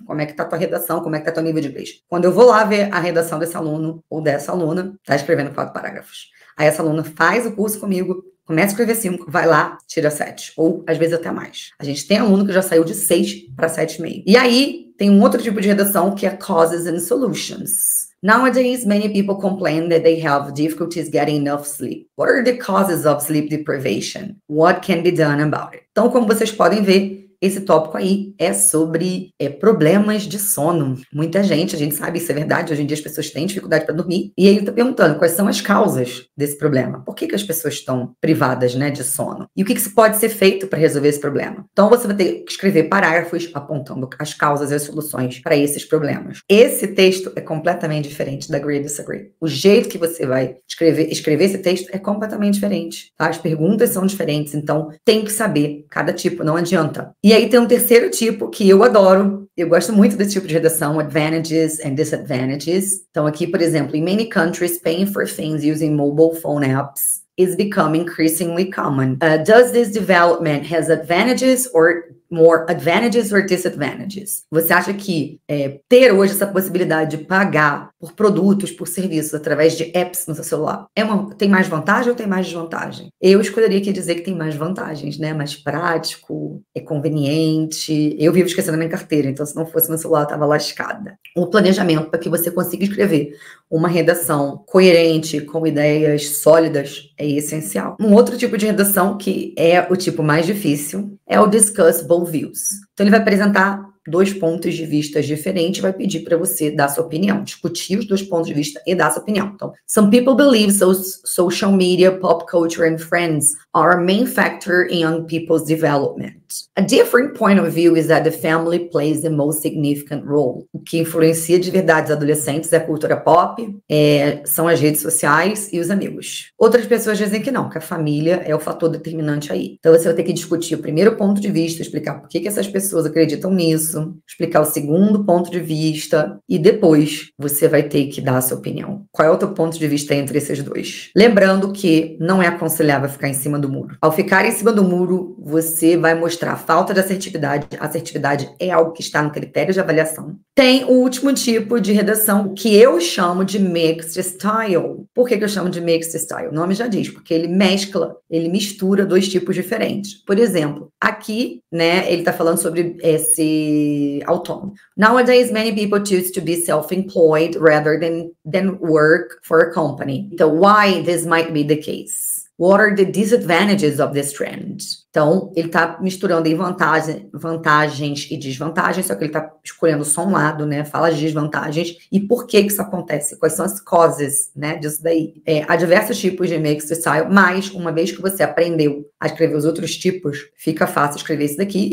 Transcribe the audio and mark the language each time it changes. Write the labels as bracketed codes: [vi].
[pt] Como é que está a tua redação, como é que está o teu nível de inglês. Quando eu vou lá ver a redação desse aluno ou dessa aluna, está escrevendo 4 parágrafos. Aí essa aluna faz o curso comigo, começa a escrever 5, vai lá, tira 7. Ou, às vezes, até mais. A gente tem aluno que já saiu de 6 para 7,5. E aí, tem um outro tipo de redação que é Causes and Solutions. [en] Nowadays, many people complain that they have difficulties getting enough sleep. What are the causes of sleep deprivation? What can be done about it? [pt] Então, como vocês podem ver, esse tópico aí é sobre problemas de sono. Muita gente, a gente sabe, isso é verdade, hoje em dia as pessoas têm dificuldade para dormir. E aí ele está perguntando quais são as causas desse problema. Por que que as pessoas estão privadas, né, de sono? E o que que pode ser feito para resolver esse problema? Então você vai ter que escrever parágrafos apontando as causas e as soluções para esses problemas. Esse texto é completamente diferente da Agree or Disagree. O jeito que você vai escrever esse texto é completamente diferente. Tá? As perguntas são diferentes, então tem que saber cada tipo, não adianta. E aí tem um terceiro tipo que eu adoro. Eu gosto muito desse tipo de redação, advantages and disadvantages. Então aqui, por exemplo, [en] in many countries, paying for things using mobile phone apps is becoming increasingly common. Does this development has advantages or more advantages or disadvantages? [pt] Você acha que ter hoje essa possibilidade de pagar por produtos, por serviços, através de apps no seu celular, tem mais vantagem ou tem mais desvantagem? Eu escolheria aqui dizer que tem mais vantagens, né? Mais prático, é conveniente. Eu vivo esquecendo a minha carteira, então se não fosse meu celular, eu tava lascada. O planejamento para que você consiga escrever uma redação coerente, com ideias sólidas, é essencial. Um outro tipo de redação, que é o tipo mais difícil, é o Discuss Both Views. Então ele vai apresentar 2 pontos de vista diferentes, vai pedir para você dar sua opinião, discutir os 2 pontos de vista e dar sua opinião. Então, [en] some people believe social media, pop culture and friends are a main factor in young people's development. A different point of view is that the family plays the most significant role. [pt] O que influencia de verdade os adolescentes é a cultura pop, são as redes sociais e os amigos. Outras pessoas dizem que não, que a família é o fator determinante aí. Então você vai ter que discutir o primeiro ponto de vista, explicar por que essas pessoas acreditam nisso, explicar o segundo ponto de vista e depois você vai ter que dar a sua opinião. Qual é o teu ponto de vista entre esses dois? Lembrando que não é aconselhável ficar em cima do muro. Ao ficar em cima do muro, você vai mostrar falta de assertividade. Assertividade é algo que está no critério de avaliação. Tem o último tipo de redação que eu chamo de mixed style. Por que eu chamo de mixed style? O nome já diz, porque ele mistura dois tipos diferentes. Por exemplo, aqui, né, ele está falando sobre esse autônomo. [en] Nowadays, many people choose to be self-employed rather than work for a company. So why this might be the case? What are the disadvantages of this trend? [pt] Então, ele está misturando aí vantagens e desvantagens, só que ele está escolhendo só um lado, né? Fala de desvantagens. E por que que isso acontece? Quais são as causes, né, disso daí? Há diversos tipos de mixed style, mas uma vez que você aprendeu a escrever os outros tipos, fica fácil escrever isso daqui.